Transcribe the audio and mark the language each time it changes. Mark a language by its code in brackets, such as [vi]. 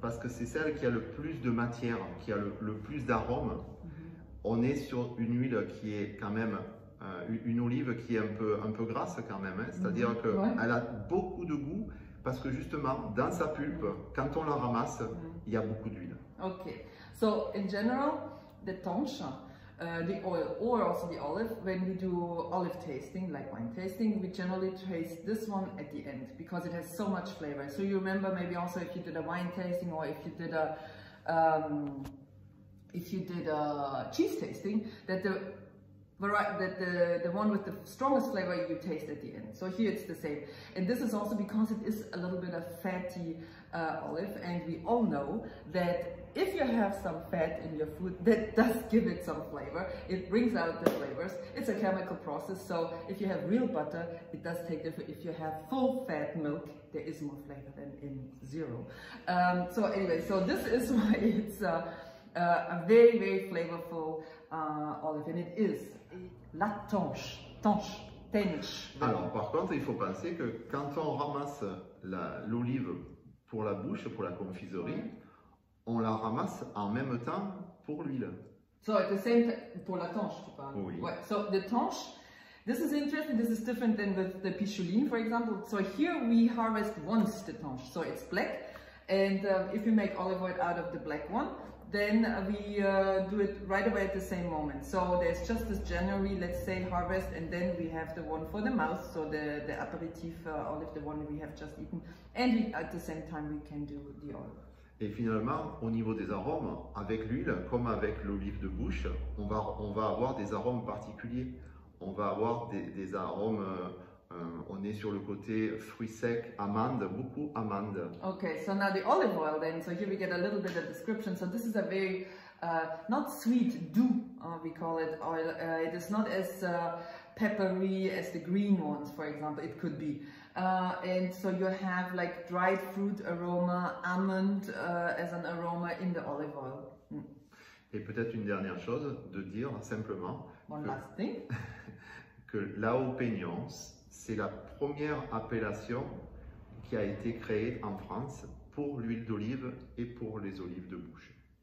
[fr] Parce que c'est celle qui a le plus de matière, qui a le plus d'arômes. Mm-hmm. On est sur une huile qui est quand même, une olive qui est un peu grasse quand même. Hein. C'est-à-dire mm-hmm. qu'elle ouais. a beaucoup de goût, parce que justement, dans sa pulpe, quand on la ramasse, mm-hmm. il y a beaucoup d'huile. [en] Ok. So, in general, the tanche. The oil or also the olive, when we do olive tasting, like wine tasting, we generally taste this one at the end because it has so much flavor. So you remember maybe also if you did a wine tasting or if you did a cheese tasting, that the one with the strongest flavor you taste at the end. So here it's the same. And this is also because it is a little bit of fatty olive, and we all know that if you have some fat in your food, that does give it some flavor. It brings out the flavors. It's a chemical process. So if you have real butter, it does take different. If you have full fat milk, there is more flavor than in zero. So this is why it's a very, very flavorful olive. And it is la tanche. [fr] Alors, par contre, il faut penser que quand on ramasse l'olive pour la bouche, pour la confiserie, on la ramasse en même temps pour l'huile. [en] So at the same [fr] pour la tanche, tu parles. Oui. [en] Ouais. So the tanche, this is interesting. This is different than the pichuline, for example. So here we harvest once the tanche. So it's black, and if we make olive oil out of the black one, then we do it right away at the same moment. So there's just this January, let's say, harvest, and then we have the one for the mouth, so the aperitif olive, the one we have just eaten, and at the same time we can do the olive. [fr] Et finalement, au niveau des arômes, avec l'huile, comme avec l'olive de bouche, on va avoir des arômes particuliers. On va avoir des arômes, on est sur le côté fruits secs, amandes, beaucoup amandes. [en] Ok, so now the olive oil then, so here we get a little bit of description. So this is a very, not sweet, doux, we call it oil. It is not as peppery as the green ones, for example, it could be. And so you have like dried fruit aroma, almond as an aroma in the olive oil. [fr] Et peut-être une dernière chose de dire simplement que l'AOP Nuance, c'est la première appellation qui a été créée en France pour l'huile d'olive et pour les olives de bouche.